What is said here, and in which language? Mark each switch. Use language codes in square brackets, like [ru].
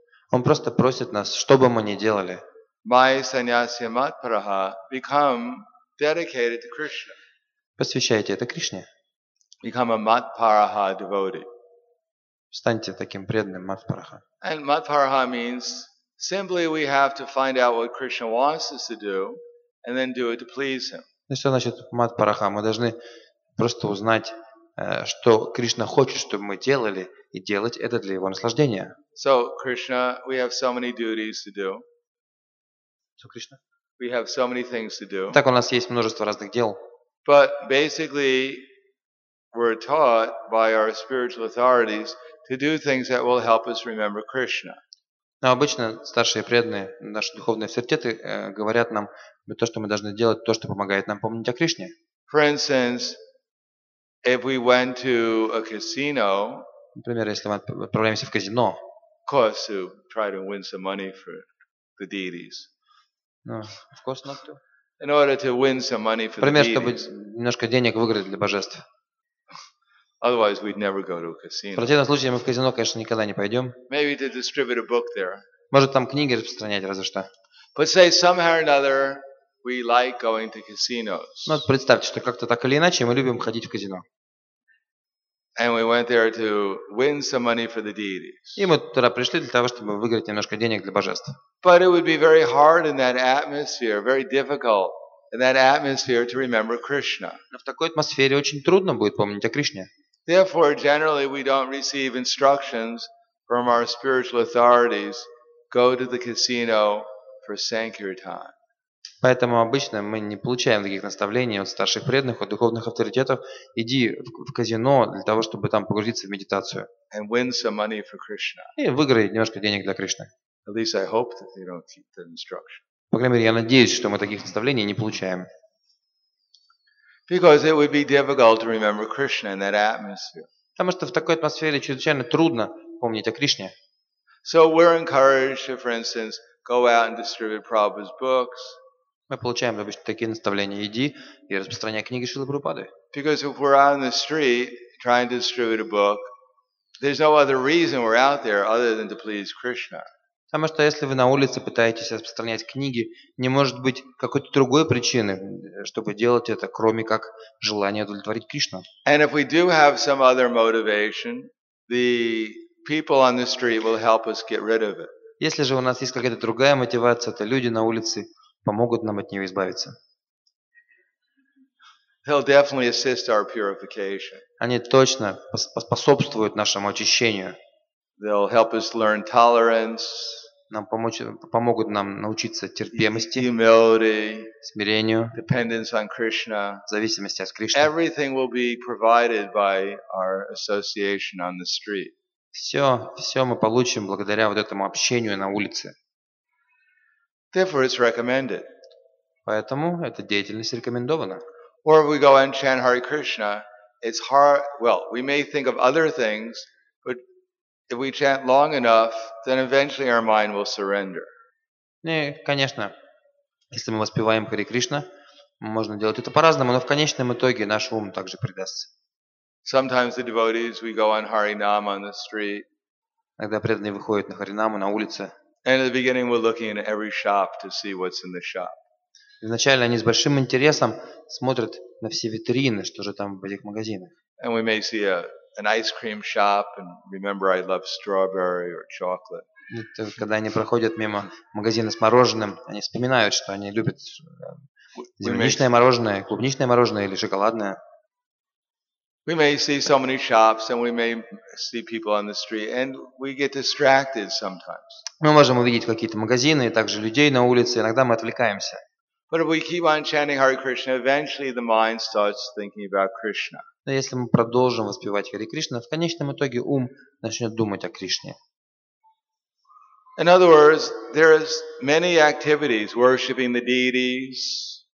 [ru] Он просто просит нас, что бы мы ни делали. [sa] Май саньясия мат параха, [en] become dedicated to Krishna. [ru] Посвящайте это Кришне. [en] Become a мат параха devotee. [ru] Станьте таким преданным мат параха. [en] And мат параха means simply we have to find out what Krishna wants us to do and then do it to please him. [ru] Ну что значит мат параха? Мы должны просто узнать, что Кришна хочет, чтобы мы делали, и делать это для его наслаждения. [en] So, Krishna, we have so many duties to do. [ru] Кришна. [en] We have so many things to do. [ru] Так у нас есть множество разных дел. [en] But basically, we're taught by our spiritual authorities to do things that will help us remember Krishna. [ru] Но обычно старшие преданные, наши духовные авторитеты, говорят нам, то, что мы должны делать, то, что помогает нам помнить о Кришне. [en] For instance, if we went to a casino, [ru] например, если мы отправляемся в казино, [en] of course to try to win some money for the deities. No, of course not to. In order to win some money for [ru] например, [en] the deities. [ru] Например, чтобы немножко денег выиграть для божеств. [en] Otherwise, we'd never go to a casino. [ru] В противном случае мы в казино, конечно, никогда не пойдем. [en] Maybe to distribute a book there. [ru] Может, там книги распространять, разве что. [en] But say somehow or another, we like going to casinos. [ru] Ну, представьте, что как-то так или иначе мы любим ходить в казино. [en] And we went there to win some money for the deities. [ru] И мы туда пришли для того, чтобы выиграть немножко денег для божеств. [en] But it would be very hard in that atmosphere, very difficult in that atmosphere to remember Krishna. [ru] Но в такой атмосфере очень трудно будет помнить о Кришне. [en] Therefore, generally, we don't receive instructions from our spiritual authorities. Go to the casino for sankirtan. [ru] Поэтому обычно мы не получаем таких наставлений от старших преданных, от духовных авторитетов. Иди в казино для того, чтобы там погрузиться в медитацию. [en] And win some money for Krishna. [ru] И выиграй немножко денег для Кришны. [en] At least I hope that they don't keep the instruction. [ru] По крайней мере, я надеюсь, что мы таких наставлений не получаем. [en] Because it would be difficult to remember Krishna in that atmosphere. [ru] Потому что в такой атмосфере чрезвычайно трудно помнить о Кришне. [en] So we're encouraged to, for instance, go out and distribute Prabhupada's books. [ru] Мы получаем обычно такие наставления: иди и распространяй книги Шрилы Прабхупады. [en] Because if we're on the street trying to distribute a book, there's no other reason we're out there other than to please Krishna. [ru] Потому что если вы на улице пытаетесь распространять книги, не может быть какой-то другой причины, чтобы делать это, кроме как желание удовлетворить Кришну. [en] And if we do have some other motivation, the people on the street will help us get rid of it. [ru] Если же у нас есть какая-то другая мотивация, то люди на улице помогут нам от нее избавиться. [en] They'll definitely assist our purification. [ru] Они точно способствуют нашему очищению. [en] They'll help us learn tolerance. [ru] Нам помогут нам научиться терпимости. [en] Humility. [ru] Смирению. [en] Dependence on Krishna. [ru] Зависимости от Кришны. [en] Everything will be provided by our association on the street. [ru] Все мы получим благодаря вот этому общению на улице. [en] Therefore, it's recommended. [ru] Поэтому эта деятельность рекомендована. [en] Or if we go and chant Hare Krishna, it's hard. Well, we may think of other things. If we chant long enough, then eventually our mind will surrender. [ru] Не, конечно, если мы воспеваем Хари Кришна, можно делать это по-разному, но в конечном итоге наш ум также предастся. [en] Sometimes the devotees we go on Harinam on the street. [ru] Когда преданные выходят на Харинаму на улице. [en] And in the beginning we're looking in every shop to see what's in the shop. [ru] Вначале они с большим интересом смотрят на все витрины, что же там в этих магазинах. [en] And we may see an ice cream shop and remember I love strawberry or chocolate. [ru] Когда они проходят мимо магазина с мороженым, они вспоминают, что они любят земляничное мороженое, клубничное мороженое или шоколадное. [en] We may see so many shops and we may see people on the street and we get distracted sometimes. [ru] Мы можем увидеть какие-то магазины и также людей на улице, иногда мы отвлекаемся. [en] But if we keep on chanting Hare Krishna, eventually the mind starts thinking about Krishna. [ru] Но если мы продолжим воспевать Хари Кришна, в конечном итоге ум начнет думать о Кришне. [en] In other words, there is many activities worshiping the deities.